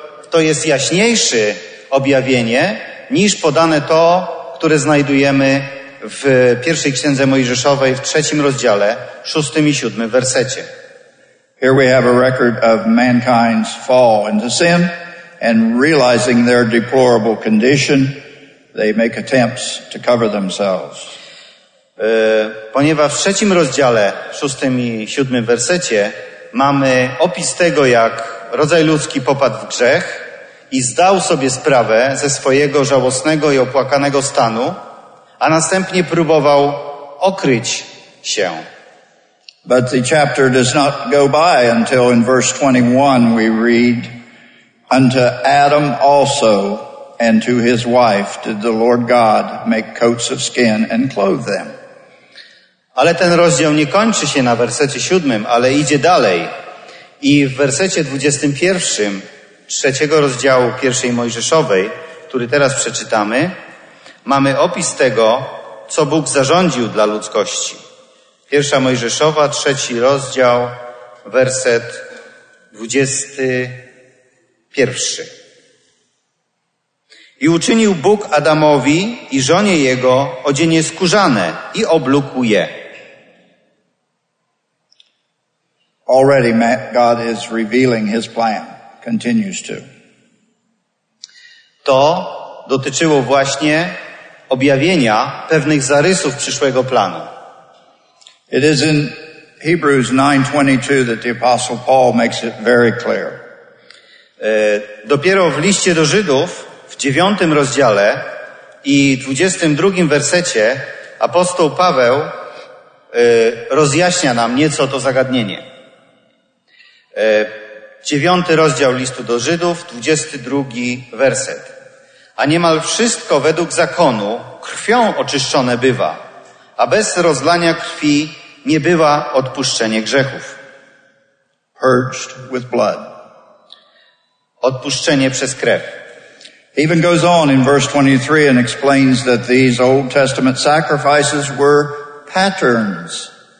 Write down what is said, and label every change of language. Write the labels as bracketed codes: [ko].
[pl] To jest jaśniejsze objawienie niż podane to, które znajdujemy w pierwszej księdze Mojżeszowej w trzecim rozdziale, szóstym i siódmym wersecie. [en] Here we have a record of mankind's fall into sin, and realizing their deplorable condition, they make attempts to cover themselves. [pl] Ponieważ w trzecim rozdziale, szóstym i siódmym wersecie, mamy opis tego, jak rodzaj ludzki popadł w grzech i zdał sobie sprawę ze swojego żałosnego i opłakanego stanu, a następnie próbował okryć się. [en] But the chapter does not go by until in verse 21 we read, unto Adam also and to his wife did the Lord God make coats of skin and clothe them. [pl] Ale ten rozdział nie kończy się na wersecie 7, ale idzie dalej. I w wersecie 21 trzeciego rozdziału pierwszej Mojżeszowej, który teraz przeczytamy, mamy opis tego, co Bóg zarządził dla ludzkości. Pierwsza Mojżeszowa, trzeci rozdział, werset 21. I uczynił Bóg Adamowi i żonie jego odzienie skórzane i oblukł je. [en] Already God is revealing his plan, continues to. [pl] To dotyczyło właśnie objawienia pewnych zarysów przyszłego planu. [en] It is in Hebrews 9:22 that the apostle Paul makes it very clear. [pl] Dopiero w liście do Żydów w 9 rozdziale i 22 wersecie apostoł Paweł rozjaśnia nam nieco to zagadnienie. 9 rozdział listu do Żydów, 22 werset. A niemal wszystko według zakonu krwią oczyszczone bywa, a bez rozlania krwi nie bywa odpuszczenie grzechów. [en] Purged with blood. [pl] Odpuszczenie przez krew. [en] He even goes on in verse 23 and explains that these Old Testament sacrifices were patterns.